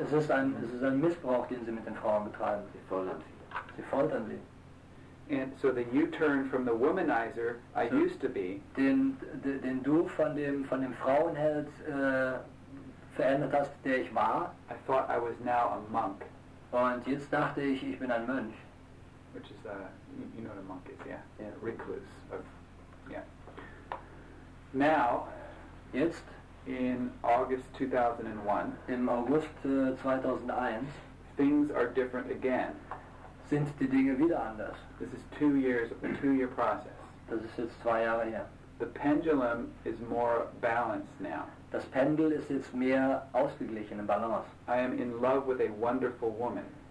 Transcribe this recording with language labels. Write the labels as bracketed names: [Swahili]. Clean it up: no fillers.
[German] Es ist ein Missbrauch, den sie mit den Frauen betreiben. Sie foltern sie. Sie foltern sie. [English] And so the U-turn from the womanizer I used to be. [German] Den du von dem Frauenheld verändert hast, der ich war. [English] I thought I was now a monk. [German] Und jetzt dachte ich, ich bin ein Mönch. [English] Which is the, you know what a monk is, yeah? Yeah. Recluse of, yeah. Now, [German] jetzt, [English] in August 2001, [German] im August 2001, [English] things are different again. [German] Sind die Dinge wieder anders. [English] This is 2 years, a two-year process. [German] Das ist jetzt 2 Jahre her. [English] The pendulum is more balanced now. [German] Das Pendel ist jetzt mehr ausgeglichen, im Balance. [English] I am in love with a wonderful woman.